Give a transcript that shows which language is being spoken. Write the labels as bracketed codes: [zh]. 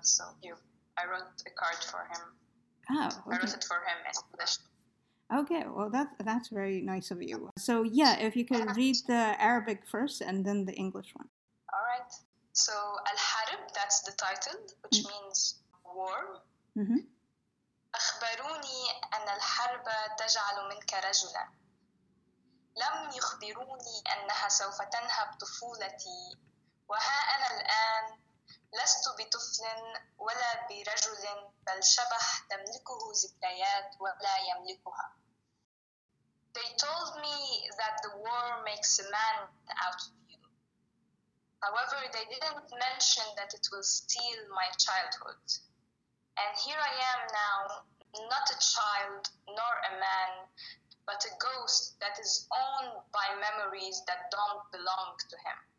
[en] So I wrote a card for him. Oh, okay. I wrote it for him in English. Okay, well, that's very nice of you. So, yeah, if you could read the Arabic first and then the English one. All right. So, Al-Harib, that's the title, which means war. [ar] أخبروني أن الحرب تجعل منك رجلا. لم يخبروني أنها سوف تنهب طفولتي. وها أنا الآن لست بطفل ولا برجل، بل شبح تملكه ذكريات ولا يملكها. [en] They told me that the war makes a man out of you. However, they didn't mention that it will steal my childhood. And here I am now, not a child nor a man, but a ghost that is owned by memories that don't belong to him.